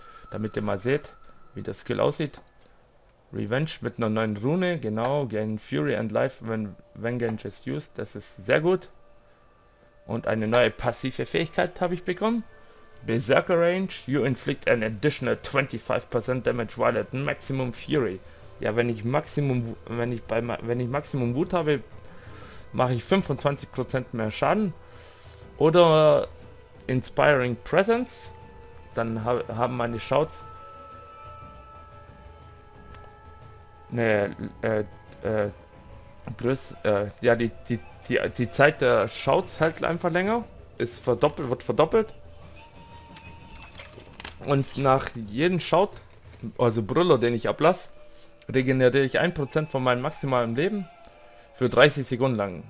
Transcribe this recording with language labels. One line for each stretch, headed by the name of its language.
German: Damit ihr mal seht, wie der Skill aussieht. Revenge mit einer neuen Rune, genau,
English: gain Fury and Life when Vengeance is used,
German: das ist sehr gut. Und eine neue passive Fähigkeit habe ich bekommen.
English: Berserker Range, you inflict an additional 25% damage while at maximum Fury.
German: Ja, wenn ich maximum Wut habe, mache ich 25% mehr Schaden. Oder Inspiring Presence, dann haben meine Shouts die Zeit der Shouts hält einfach länger, ist verdoppelt, wird verdoppelt, und nach jedem Shout, also Brüller, den ich ablasse, regeneriere ich 1% von meinem maximalen Leben für 30 Sekunden lang.